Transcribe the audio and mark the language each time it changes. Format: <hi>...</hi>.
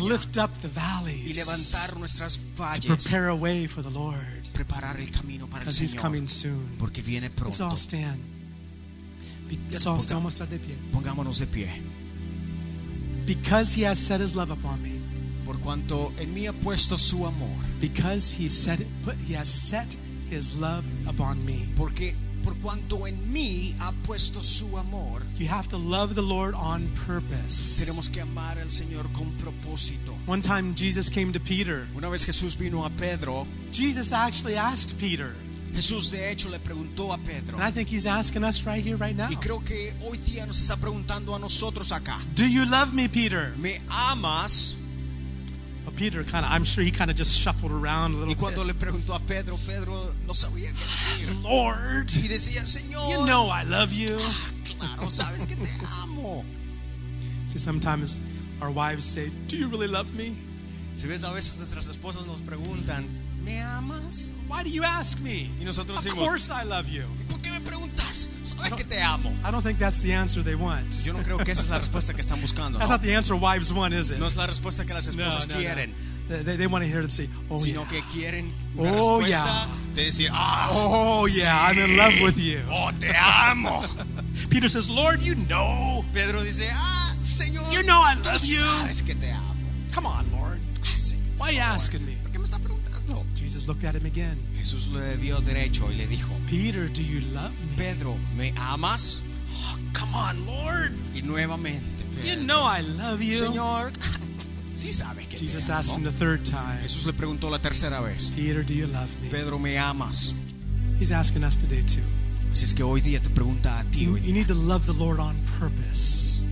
<en>Lift up the valleys.</en> <es>Y levantar nuestras valles.</es> <en>To prepare a way for the Lord.</en> <es>Preparar el camino para el Señor.</es> <en>Because he's coming soon.</en> <es>Porque viene pronto.</es> <en>Let's all stand. Let's all stand.</en> <es>Vamos a estar de pie. Pongámonos de pie.</es> <en>Because he has set his love upon me.</en> <es>Por cuanto en mí ha puesto su amor.</es> <en>Because he has set his love upon me.</en> <es>Porque por cuanto en mí ha puesto su amor.</es> <en>You have to love the Lord on purpose.</en> <es>Tenemos que amar al Señor con propósito.</es> <en>One time Jesus came to Peter.</en> <es>Una vez Jesús vino a Pedro.</es> <en>Jesus actually asked Peter.</en> <es>Jesús de hecho le preguntó a Pedro.</es> <en>And I think he's asking us right here, right now.</en> <es>Y creo que hoy día nos está preguntando a nosotros acá.</es> <en>Do you love me, Peter?</en> <es>¿Me amas?</es> <en>Peter kind of, I'm sure he kind of just shuffled around a little bit.</en> <es>Y cuando</es> <en>bit.</en> <es>Le preguntó a Pedro, Pedro no sabía qué decir.</es> <en>Lord.</en> <es>Y decía, Señor.</es> <en>You know I love you.</en> <es>Claro, sabes que te amo.</es> <en>See, sometimes our wives say, do you really love me?</en> <es>Si ves, a veces nuestras esposas nos preguntan, ¿me amas?</es> <en>Why do you ask me?</en> <es>Y nosotros decimos,</es> <en>of course I love you.</en> <es>¿Por qué me preguntas? Sabes que te amo.</es> <en>I don't think that's the answer they want.</en> <es>Yo no creo que esa es la respuesta que están buscando.</es> <en>That's not the answer wives want, is it?</en> <es>No es la respuesta que las esposas quieren.</es> <en>They want to hear them say, oh</en> <es>sino</es> <en>yeah.</en> <es>Que quieren una oh, respuesta yeah. De decir, ah,</es> <en>oh yeah,</en> <es>sí.</es> <en>I'm in love with you.</en> <es>Oh, te amo.</es> <en>Peter says, Lord, you know.</en> <es>Pedro dice, ah, Señor.</es> <en>You know I love you.</en> <es>Sabes que te amo.</es> <en>Come on, Lord.</en> <es>Señor,</es> <en>why are you asking me? Jesus looked at him again.</en> <es>Jesús le vio derecho y le dijo,</es> <en>Peter, do you love me?</en> <es>Pedro, ¿me amas?</es> <en>Oh, come on, Lord.</en> <es>Y nuevamente, Pedro,</es> <en>you know I love you.</en> <es>Señor, sí sabe que</es> <en>Jesus</en> <es>te amo.</es> <en>Jesus asked him the third time.</en> <es>Jesús le preguntó la tercera vez.</es> <en>Peter, do you love me?</en> <es>Pedro, ¿me amas?</es> <en>He's asking us today too.</en> <es>Así es que hoy día te pregunta a ti.</es> <en>You need to love the Lord on purpose.</en>